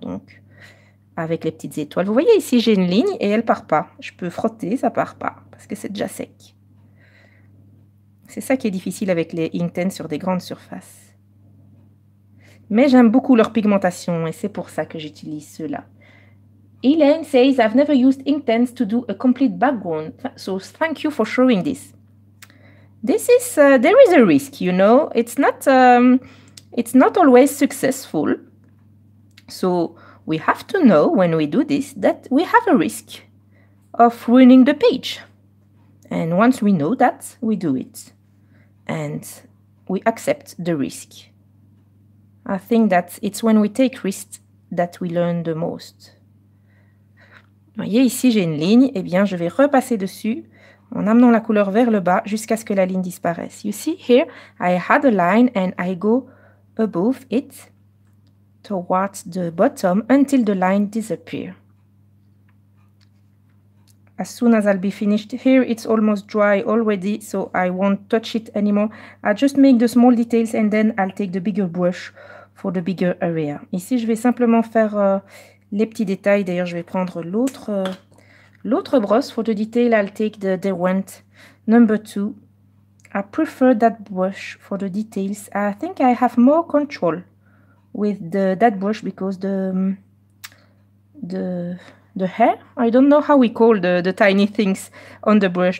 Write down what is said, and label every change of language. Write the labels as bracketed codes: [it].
[fr] Donc, avec les petites étoiles, vous voyez ici, j'ai une ligne et elle ne part pas. Je peux frotter, ça ne part pas parce que c'est déjà sec. C'est ça qui est difficile avec les Inten sur des grandes surfaces. Mais j'aime beaucoup leur pigmentation et c'est pour ça que j'utilise ceux-là. [en] Elaine says, I've never used Inktense to do a complete background, so thank you for showing this. There is a risk, you know. It's not always successful. So we have to know when we do this that we have a risk of ruining the page. And once we know that, we do it. And we accept the risk. I think that it's when we take risks that we learn the most. [fr] Vous voyez, ici, j'ai une ligne. Eh bien, je vais repasser dessus en amenant la couleur vers le bas jusqu'à ce que la ligne disparaisse. [en] You see here, I had a line and I go above it towards the bottom until the line disappears. As soon as I'll be finished here, it's almost dry already, so I won't touch it anymore. I just make the small details and then I'll take the bigger brush for the bigger area. [fr] Ici, je vais simplement faire les petits détails. D'ailleurs, je vais prendre l'autre brosse. [en] For the detail, I'll take the Derwent number 2. I prefer that brush for the details. I think I have more control with that brush because the hair, I don't know how we call the tiny things on the brush.